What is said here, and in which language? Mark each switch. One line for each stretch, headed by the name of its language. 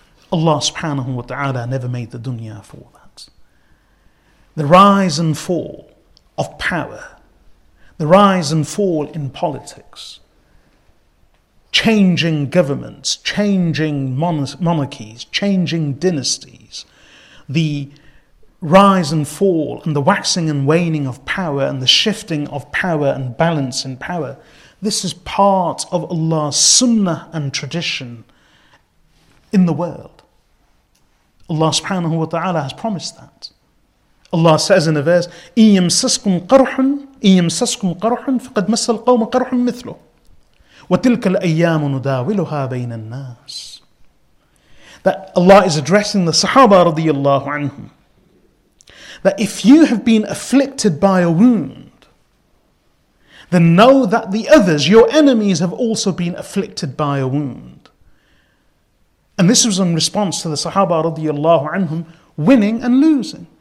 English: Allah subhanahu wa ta'ala never made the dunya for that. The rise and fall of power, the rise and fall in politics, changing governments, changing monarchies, changing dynasties, the rise and fall and the waxing and waning of power and the shifting of power and balance in power. This is part of Allah's sunnah and tradition in the world. Allah subhanahu wa ta'ala has promised that. Allah says in a verse,
Arabic: إِيَّمْسَسْكُمْ قَرْحٌ فَقَدْ مَسَّ الْقَوْمَ قَرْحٌ مِثْلُهُ وَتِلْكَ الْأَيَّامُ نُدَاوِلُهَا بَيْنَ النَّاسِ.
English: That Allah is addressing the Sahaba radiallahu anhum. That if you have been afflicted by a wound, then know that the others, your enemies, have also been afflicted by a wound. And this was in response to the Sahaba radiallahu anhum winning and losing.